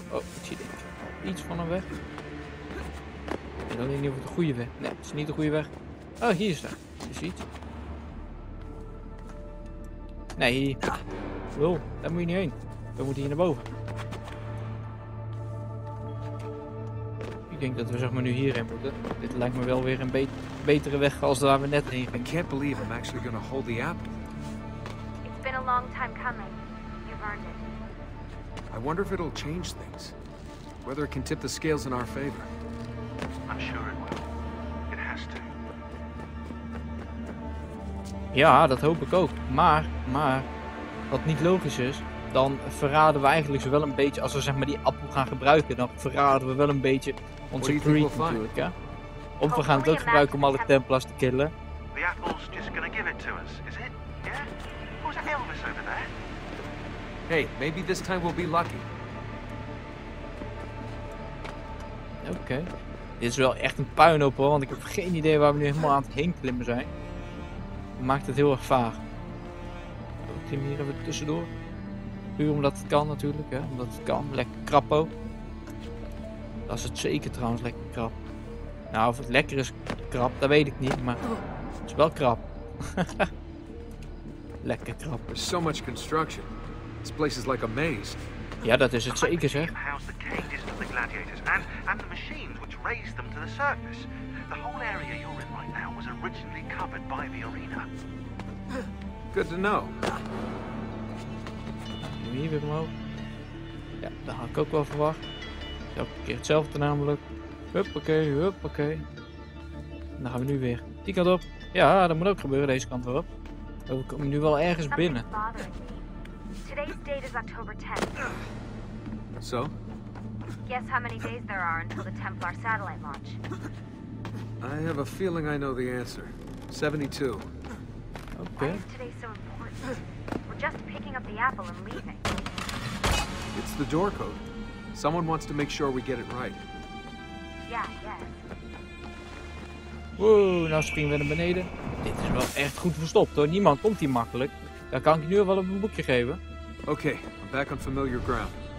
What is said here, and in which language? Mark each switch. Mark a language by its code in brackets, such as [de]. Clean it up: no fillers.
[nl] Oh, ik zie dit. Iets van een weg. Ik weet alleen niet of het een goede weg is. Nee, het is niet de goede weg. Oh, hier is er. Je ziet. Nee, hier. Wil, daar moet je niet heen. We moeten hier naar boven. Ik denk dat we zeg maar nu hierheen moeten. Dit lijkt me wel weer een betere weg als waar we net heen gingen. [en] I can't believe I'm actually gonna hold the apple. It's been a long time coming. You've earned it. I wonder if it'll change things. Whether it can tip the scales in our favor. I'm sure it will. It has to. [nl] Ja, dat hoop ik ook. Maar, wat niet logisch is, dan verraden we eigenlijk wel een beetje, als we zeg maar die appel gaan gebruiken, dan verraden we wel een beetje onze creed natuurlijk, hè. Of we gaan het ook gebruiken om alle Templars te killen. [en] The apple's just gonna give it to us, is it? Yeah? Who's Elvis over there? Hey, maybe this time we'll be lucky. Okay. [nl] Dit is wel echt een puinhoop hoor, want ik heb geen idee waar we nu helemaal aan het heen klimmen zijn. Maakt het heel erg vaag. We klimmen hier even tussendoor. Puur omdat het kan natuurlijk, hè. Omdat het kan. Lekker krap ook. Dat is het zeker trouwens, lekker krap. Nou, of het lekker is krap, dat weet ik niet, maar het is wel krap. Lekker krap. [en] There's so much construction. This place is like a maze. [nl] Ja, dat is het zeker, zeg. [en] The cages of the gladiators and the machines which raised them to the surface. The whole area you're in right now was originally covered by the arena. Good to know. [nl] Hier weer omhoog. Ja, dat had ik ook wel verwacht. Elke keer hetzelfde namelijk. Huppakee, huppakee. En dan gaan we nu weer die kant op. Ja, dat moet ook gebeuren deze kant erop. We komen nu wel ergens binnen. [en] Today's date is October 10th. So? Guess how many days there are until the Templar satellite launch. I have a feeling I know the answer. 72. Okay. Why is today so important? We're just picking up the apple and leaving. It's the door code. Someone wants to make sure we get it right. Yeah. [nl] Woe, nou springen we naar beneden. Dit is wel echt goed verstopt hoor. Niemand komt hier makkelijk. Daar kan ik nu wel op een boekje geven. [en] Okay, I'm back on familiar ground.